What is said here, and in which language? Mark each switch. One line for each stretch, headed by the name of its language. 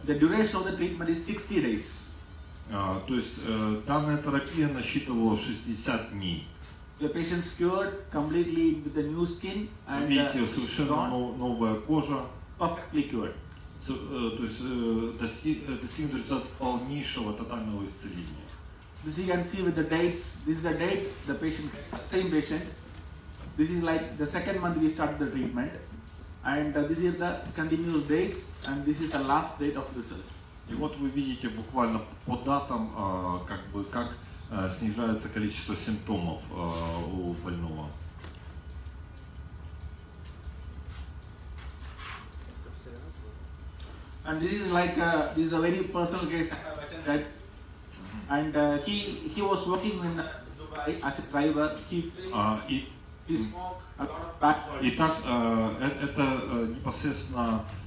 Russian: терапии.
English: The duration of the treatment is 60 days.
Russian: То есть данная терапия насчитывала 60 дней.
English: The patient's cured completely with the new skin and
Russian: видите, совершенно новая кожа.
English: Perfectly cured.
Russian: То есть достигнут результат полнейшего тотального исцеления.
English: This you can see with the dates. This is the date the patient, same patient. This is like the second month we started the treatment. And this is the continuous dates, and this is the last date of result.
Russian: И вот вы видите буквально по датам, как бы как снижается количество симптомов у больного.
English: And this is like this is a very personal case I have attended. And he was working in Dubai as a driver. He smoked.
Russian: Итак, это непосредственно